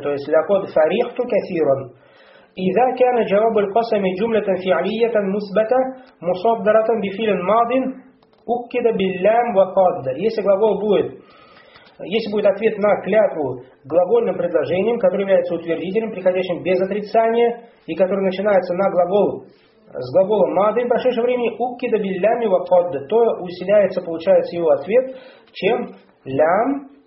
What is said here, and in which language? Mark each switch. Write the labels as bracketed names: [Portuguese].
[Russian] То есть [Arabic] лакад фарихту катиран. إذا كان جواب القسم جملة فعلية مثبتة مصدرة بفعل ماض أكد باللام وقد. [Russian] Если глагол будет, если будет ответ на клятву глагольным предложением, которое является утвердителем, приходящим без отрицания, и который начинается на глагол с глагола ماض в прошедшем времени, [Arabic] أكد باللام وقد, [Russian] то усиляется, получается, его ответ чем лям.